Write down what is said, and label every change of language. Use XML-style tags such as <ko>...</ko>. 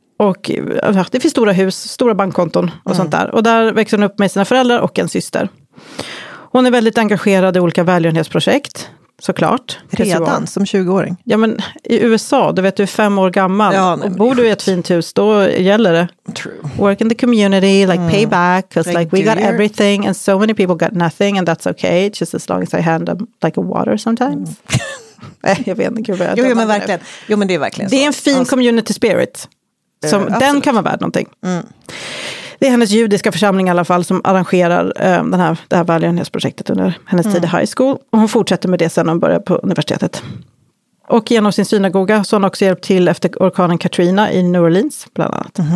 <sv>Och det finns stora hus, stora bankkonton och sånt där. Och där växer hon upp med sina föräldrar och en syster. Hon är väldigt engagerad i olika välgörenhetsprojekt, såklart. Redan, som 20-åring? Ja, men i USA, du vet, du är 5 år gammal. Ja, nej, och bor du i ett fint hus, då gäller det.</sv> <en>True. Work in the community, like payback, because like we got everything and so many people got nothing and that's okay, just as long as I hand them like a water sometimes.</en> <sv>Jag vet inte, gud vad jag men verkligen. Nu. Jo, men det är verkligen det är en fin community spirit. Som den kan vara värd någonting. Det är hennes judiska församling i alla fall som arrangerar det här välgörenhetsprojektet under hennes tid i high school. Och hon fortsätter med det sen hon börjar på universitetet. Och genom sin synagoga så har hon också hjälpt till efter orkanen Katrina i New Orleans bland annat.</sv>